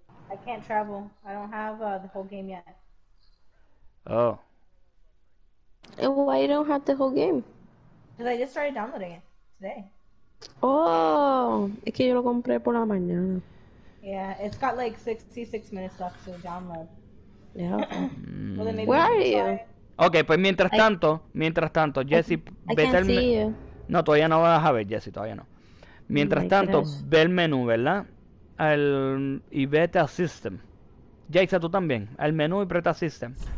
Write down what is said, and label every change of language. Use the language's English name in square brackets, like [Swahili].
[English] I can't travel. I don't have the whole game yet. Oh. And why you don't have the whole game? Because I just started downloading it today. [Spanish] Oh, es que yo lo compré por la mañana. [English] Yeah, it's got like 66 minutes left to download. Yeah. Well, then maybe where are you? [Spanish] Ok, pues mientras tanto, Jesse, vete al menú. No, todavía no vas a ver, Jesse, todavía no. Mientras tanto, ve el menú, ¿verdad? Y vete a System. Jesse, tú también, al menú y preta System.